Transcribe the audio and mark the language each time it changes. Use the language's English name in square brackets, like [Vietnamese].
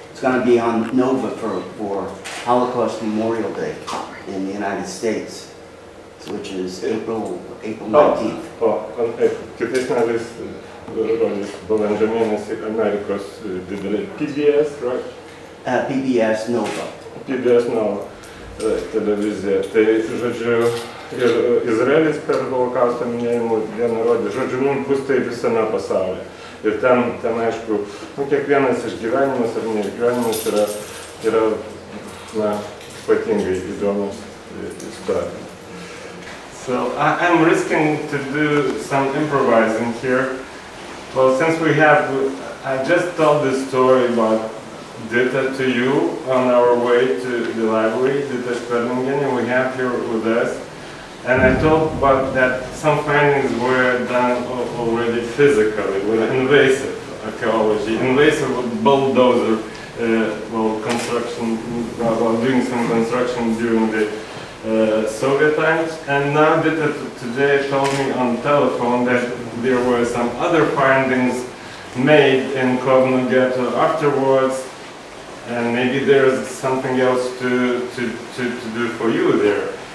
[English] It's going to be on Nova for Holocaust Memorial Day in the United States, which is April 19th. [Lithuanian] Kitais metais rodys balandžio mėnesį Amerikos didelį PBS, [English] right? [Lithuanian] PBS Nova. PBS Nova televizija. Tai, žodžiu, ir Izraelis per Holokausto minėjimų dieną rodė. Žodžiu, mums bus tai visame pasaulyje. Ir ten aišku, kiekvienas išgyvenimas ar neišgyvenimas yra ypatingai įdomus istorija. [English] So I'm risking to do some improvising here. Well, since I just told this story about Dita to you on our way to the library, Dita Šperlingienė, we have here with us. And I told about that some findings were done already physically with invasive archaeology, invasive bulldozer, construction, doing some construction during the Soviet times, and now Dita today told me on telephone that there were some other findings made in Kovno ghetto afterwards, and maybe there is something else to do for you there.